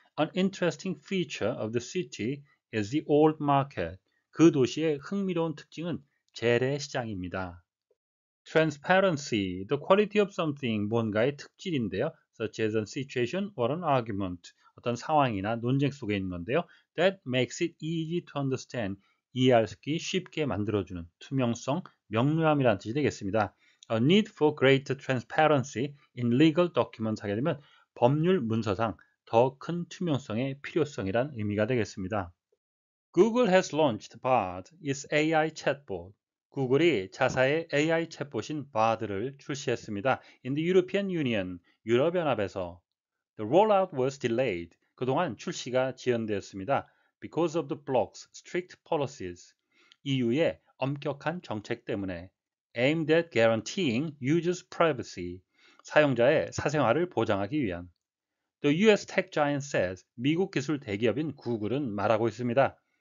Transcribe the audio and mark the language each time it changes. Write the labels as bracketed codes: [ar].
[en] An interesting feature of the city is the old market. [ko] 그 도시의 흥미로운 특징은 재래시장입니다. [en] Transparency, the quality of something, [ko] 뭔가의 특질인데요. [en] Such as a situation or an argument, [ko] 어떤 상황이나 논쟁 속에 있는 건데요. [en] That makes it easy to understand. [ko] 이해하기 쉽게 만들어주는 투명성, 명료함이라는 뜻이 되겠습니다. [en] A need for greater transparency in legal documents [ko] 하게 되면 법률 문서상 더 큰 투명성의 필요성이란 의미가 되겠습니다. [en] Google has launched Bard, its AI chatbot. [ko] 구글이 자사의 AI 챗봇인 Bard를 출시했습니다. [en] In the European Union, [ko] 유럽연합에서 [en] The rollout was delayed. [ko] 그동안 출시가 지연되었습니다. [en] Because of the bloc's strict policies. [ko] 이유의 엄격한 정책 때문에 [en] aimed at guaranteeing users' privacy. [ko] 사용자의 사생활을 보장하기 위한 [en] The US tech giant says, [ko] 미국 기술 대기업인 구글은 말하고 있습니다.